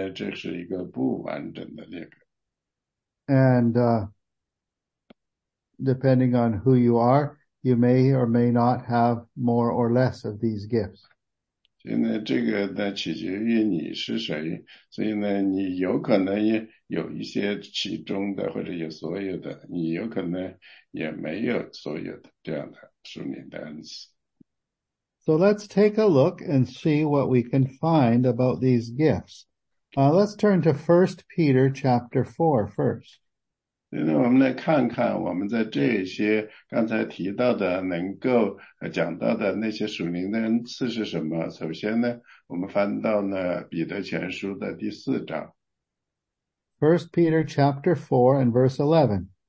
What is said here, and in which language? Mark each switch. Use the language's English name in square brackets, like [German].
[Chinese] 所以这些列表呢,有些人呢是说是一个完整的列表,有些人认为呢这是一个不完整的列表。 [English] And depending on who you are, you may or may not have more or less of these gifts. [Chinese] 所以呢,这个呢取决于你是谁,所以呢,你有可能有一些其中的,或者有所有的,你有可能也没有所有的这样的属灵的恩赐。 [English] So let's take a look and see what we can find about these gifts. Let's turn to 1 Peter chapter 4 first. [Chinese] 那我们来看看我们在这些刚才提到的能够讲到的那些属灵的恩赐是什么。首先呢,我们翻到呢彼得前书的第四章。 [English] 1 Peter chapter 4 and verse 11.